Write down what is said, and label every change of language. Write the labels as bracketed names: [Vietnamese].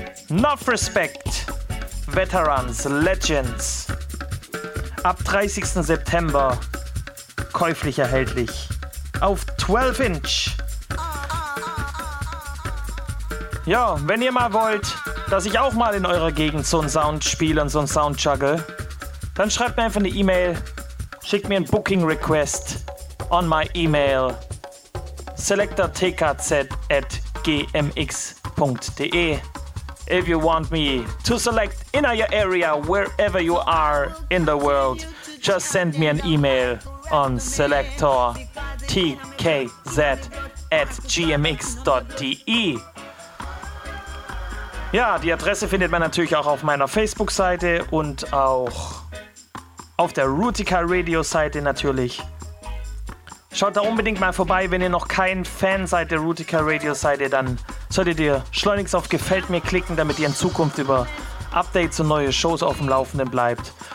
[English] North Respect, Veterans, Legends. [German] Ab 30. September käuflich erhältlich auf 12 Inch. Ja, wenn ihr mal wollt, dass ich auch mal in eurer Gegend so einen Sound spiele und so einen Sound juggle, dann schreibt mir einfach eine E-Mail. Schickt mir ein Booking Request [English] on my email [German] selectortkz@gmx.de. [English] If you want me to select in your area, wherever you are in the world, just send me an email on selectortkz@gmx.de. [German] Ja, die Adresse findet man natürlich auch auf meiner Facebook-Seite und auch auf der Rootikal Radio Seite natürlich. Schaut da unbedingt mal vorbei, wenn ihr noch kein Fan seid der Rootikal Radio Seite, dann solltet ihr schleunigst auf Gefällt mir klicken, damit ihr in Zukunft über Updates und neue Shows auf dem Laufenden bleibt.